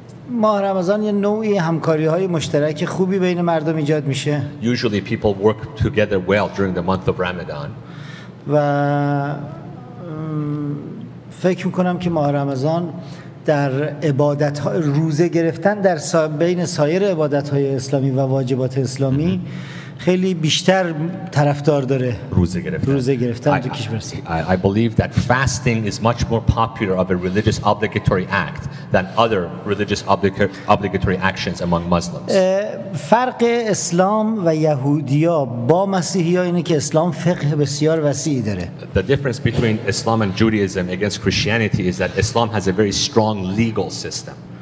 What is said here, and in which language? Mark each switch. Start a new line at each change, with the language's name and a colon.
Persian: ماه رمضان یه نوعی همکاری های مشترک خوبی بین مردم ایجاد میشه.
English: Usually people work together well during the month of Ramadan.
Persian: و فکر میکنم که ماه رمضان در عبادت ها روزه گرفتن در بین سایر عبادت های اسلامی و واجبات اسلامی خیلی بیشتر طرفدار داره. روزه گرفتن تو کشور.
English: I believe that fasting is much more popular of a religious obligatory act than other religious obligatory actions among Muslims.
Persian: فرق اسلام و یهودیا با مسیحی ها اینه که اسلام فقه بسیار وسیعی داره.
English: The difference between Islam and Judaism against Christianity is that Islam has a very strong legal system.